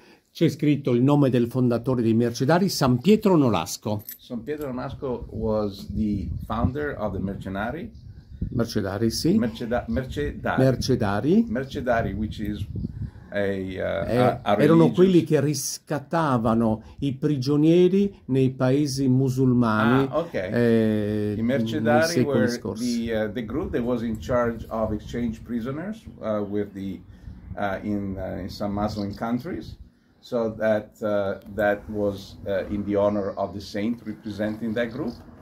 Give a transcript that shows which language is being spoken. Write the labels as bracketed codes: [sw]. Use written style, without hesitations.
[it] C'è scritto il nome del fondatore dei mercenari, San Pietro Nolasco. [en] San Pietro Nolasco was the founder of the mercenari. [it] Mercedari, sì. [en] Mercedari. Mercedari, which is [it] erano quelli che riscattavano i prigionieri nei paesi musulmani. Ah, ok. I mercedari nei secoli [en] were [it] scorsi. [en] The group that was in charge of exchange prisoners with the in some Muslim countries. So that that was in the honor of the saint representing that group.